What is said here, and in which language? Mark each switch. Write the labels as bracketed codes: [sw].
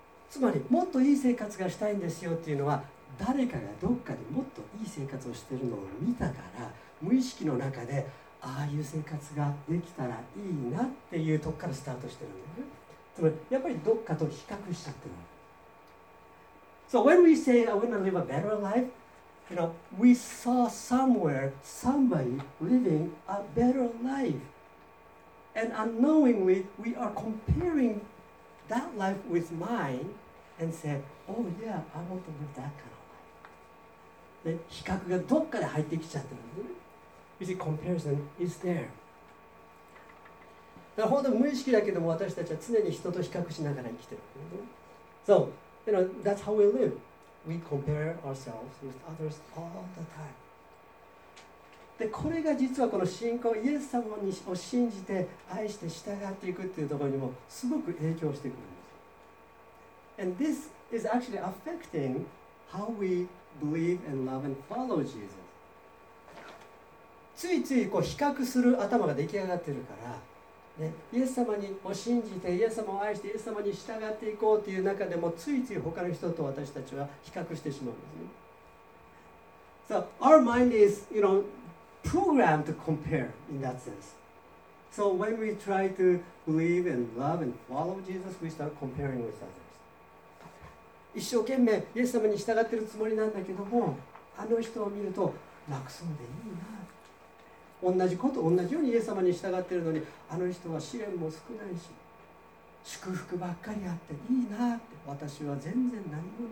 [ja] つまり、もっといい生活がしたいんですよっていうのは、誰かがどっかでもっといい生活をしているのを見たから、無意識の中でああいう生活ができたらいいなっていうとこからスタートしてるんだよね。つまり、やっぱりどっかと比較しちゃってる。 [en] So when we say, I want to live a better life, you know, we saw somewhere, somebody living a better life. And unknowingly, we are comparing that life with mine and say, oh yeah, I want to live that kind of life. [ja] で、比較がどっかで入ってきちゃってるんですね。 [en] You see, comparison is there. [ja] だから本当に無意識だけども、私たちは常に人と比較しながら生きてる。 [en] So,You know, that's how we live. We compare ourselves with others all the time. [ja] で、これが実はこの信仰、イエス様を信じて、愛して従っていくっていうところにもすごく影響してくるんです。 [en] And this is actually affecting how we believe and love and follow Jesus. [ja] ついついこう比較する頭が出来上がってるから、ね、イエス様にを信じてイエス様を愛してイエス様に従っていこうという中でもついつい他の人と私たちは比較してしまうんですね。 [en] So our mind is, you know, programmed to compare in that sense. So when we try to believe and love and follow Jesus, we start comparing with others. [ja] 一生懸命イエス様に従っているつもりなんだけどもあの人を見ると楽そうでいいな同じこと同じようにイエス様に従っているのにあの人は試練も少ないし祝福ばっかりあっていいなって私は全然何もない